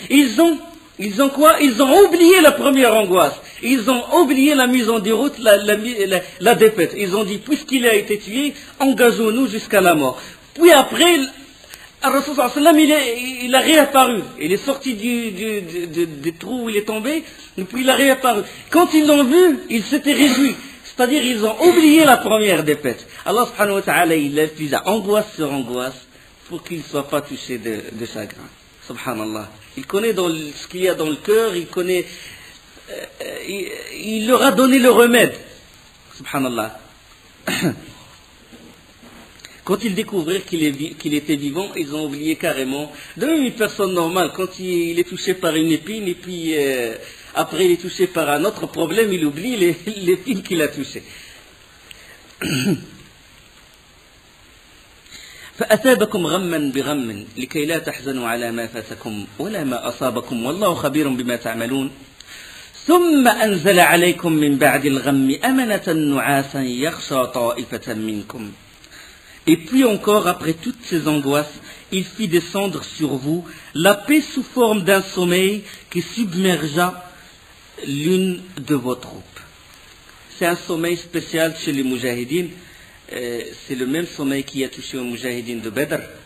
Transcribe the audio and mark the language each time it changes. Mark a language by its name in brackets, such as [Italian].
[French] Ils ont quoi? Ils ont oublié la première angoisse. Ils ont oublié la mise en déroute, la défaite. Ils ont dit, puisqu'il a été tué, engageons-nous jusqu'à la mort. Puis après, [Arabic] الرسول صلى الله عليه وسلم [French] il a réapparu. Il est sorti du trou où il est tombé, puis il a réapparu. Quand ils l'ont vu, ils s'étaient réjouis. C'est-à-dire, ils ont oublié la première défaite. Allah subhanahu wa ta'ala, il les fusa angoisse sur angoisse pour qu'ils ne soient pas touchés de chagrin. Subhanallah. Il connaît dans ce qu'il y a dans le cœur, il connaît. Il leur a donné le remède. Subhanallah. Quand ils découvrirent qu'il était vivant, ils ont oublié carrément. De même, une personne normale, quand il est touché par une épine, et puis après il est touché par un autre problème, il oublie l'épine qu'il a touchée. [Arabic] فأثابكم غما بغم لكي لا تحزنوا على ما فاتكم ولا ما أصابكم والله خبير بما تعملون ثم أنزل عليكم من بعد الغم أمنة نعاسا يخشى طائفة منكم. [French] Et puis encore, après toutes ces angoisses, il fit descendre sur vous la paix sous forme d'un sommeil qui submergea l'une de vos troupes. C'est un sommeil spécial chez les Mujahidines. C'est le même sommeil qui a touché aux Mujahidines de Badr.